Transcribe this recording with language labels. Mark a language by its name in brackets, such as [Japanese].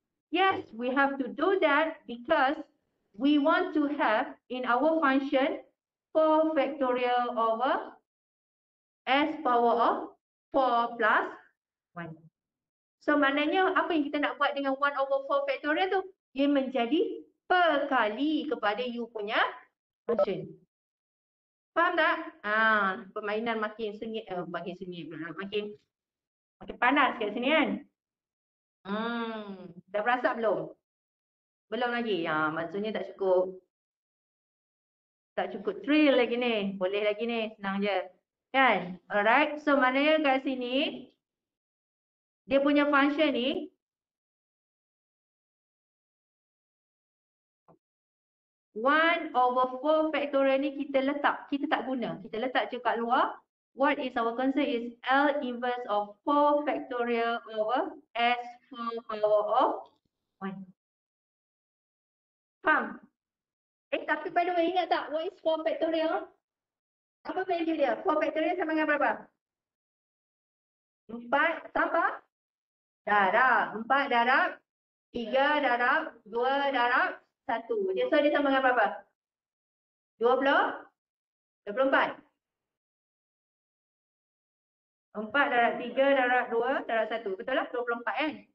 [English] Yes, we have to do that because we want to have in our function 4 factorial over s power of 4 plus 1. [Malay] So maknanya apa yang kita nak buat dengan 1 over 4 factorial tu? Ia menjadi perkali kepada you punya function. Faham tak? Permainan makin sengit, makin panas kat sini kan? Dah perasa belum? Belum lagi? Maksudnya tak cukup. Tak cukup thrill lagi ni. Boleh lagi ni. Senang je. Kan? Alright. So maknanya kat sini dia punya function ni [English] one over four factorial [Malay] ni kita letak. Kita tak guna. Kita letak je kat luar. [English] What is our concern is L inverse of 4 factorial over S 4 power of 1. [Malay] Faham? Tapi [English] by the way [Malay] ingat tak [English] what is 4 factorial? [Malay] Apa value dia? 4 factorial sama dengan berapa? 4 tambah darab. 4 darab, 3 darab, 2 darab, 1. So dia sama dengan berapa? 24. 4 darab 3 darab 2 darab 1. Betul lah 24 kan?